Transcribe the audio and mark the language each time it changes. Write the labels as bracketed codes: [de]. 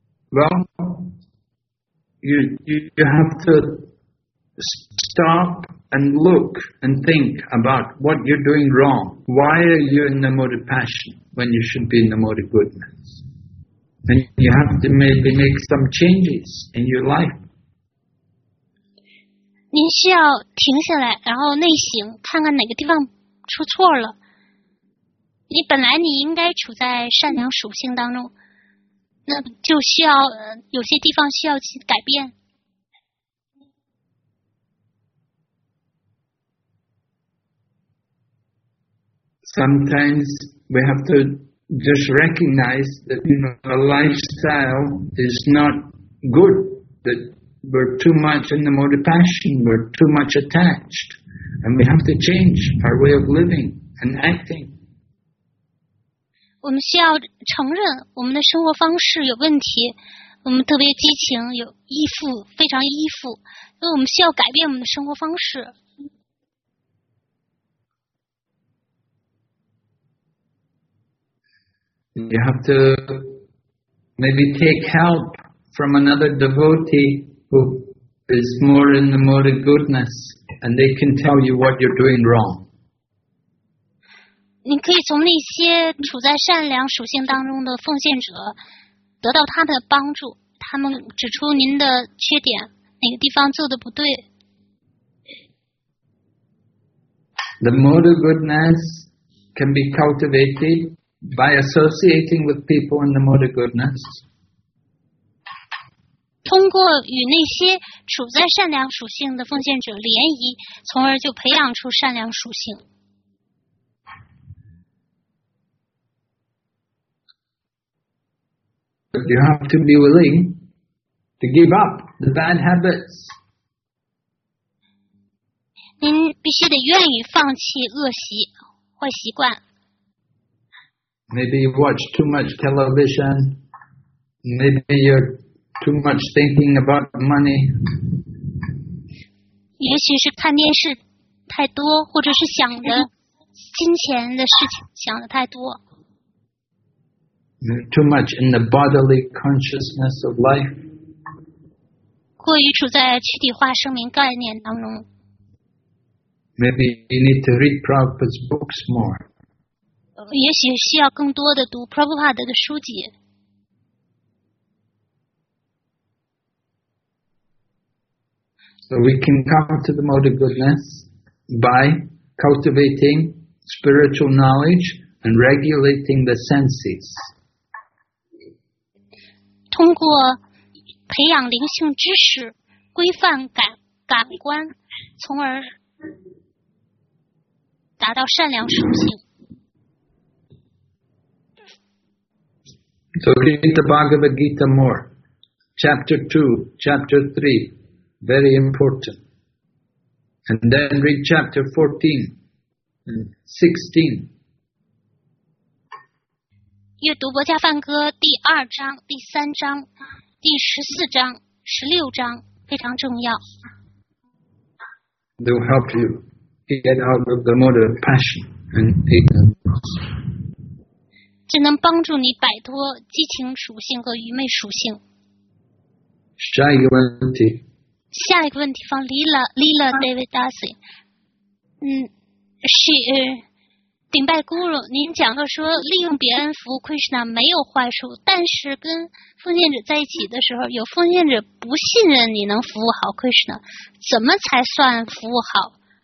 [en] Well, you have to stop and look and think about what you're doing wrong. Why are you in the mode of passion when you should be in the mode of goodness? And you have to maybe make some changes in your life. [zh] 您需要停下来，然后内省，看看哪个地方出错了。你本来你应该处在善良属性当中，那就需要有些地方需要去改变。 [en] Sometimes we have to just recognize that you know, a lifestyle is not good. That we're too much in the mode of passion, we're too much attached, and we have to change our way of living and acting. [zh] 我们需要承认我们的生活方式有问题，我们特别激情，有依附，非常依附，所以我们需要改变我们的生活方式。 [en] You have to maybe take help from another devotee who is more in the mode of goodness, and they can tell you what you're doing wrong. [zh] 你可以从那些处在善良属性当中的奉献者得到他的帮助，他们指出您的缺点，哪个地方做的不对。 [en] The mode of goodness can be cultivated. By associating with people in the mode of goodness. [zh] 通过与那些处在善良属性的奉献者联谊，从而就培养出善良属性。 [en] You have to be willing to give up the bad habits. [zh] 您必须得愿意放弃恶习、坏习惯。 [en] Maybe you watch too much television. Maybe you're too much thinking about money. [zh] 也许是看电视太多，或者是想着金钱的事情想的太多。 [en] You're too much in the bodily consciousness of life. [zh] 过于处在躯体化生命概念当中。 [en] Maybe you need to read Prabhupada's books more. [zh] 也许需要更多的读 Prabhupada 的书籍。 [en] So we can come to the mode of goodness by cultivating spiritual knowledge and regulating the senses. [zh] 通过培养灵性知识，规范感官，从而达到善良属性。 [en] So read the Bhagavad Gita more. Chapter 2, Chapter 3, very important. And then read Chapter 14 and 16. [zh] 阅读博伽梵歌第二章、第三章、第十四章、十六章非常重要。 [en] They will help you get out of the mode of passion and ignorance. [zh] 这能帮助你摆脱激情属性和愚昧属性。下一个问题。下一个问题放 Lila David Darcy。是顶拜 Guru， 您讲到说利用别人服务 Krishna 没有坏处，但是跟奉献者在一起的时候，有奉献者不信任你能服务好 Krishna， 怎么才算服务好？